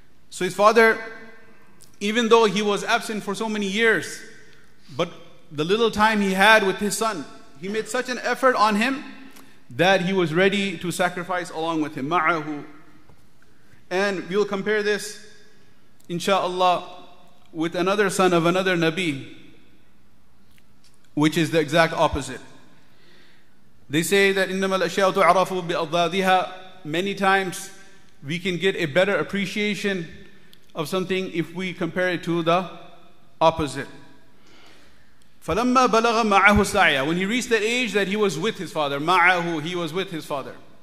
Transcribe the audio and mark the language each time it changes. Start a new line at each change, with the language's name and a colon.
English: So his father, even though he was absent for so many years, but the little time he had with his son, he made such an effort on him that he was ready to sacrifice along with him. Ma'ahu. And we'll compare this, insha'Allah, with another son of another Nabi, which is the exact opposite. They say that
Arabic: إِنَّمَا الْأَشْيَاءُ تُعْرَفُ بِأَضْدَادِهَا.
English: Many times we can get a better appreciation of something if we compare it to the opposite.
Arabic: فَلَمَّا بَلَغَ مَعَهُ السَّعْيَ.
English: When he reached that age that he was with his father, مَعَهُ, he was with his father.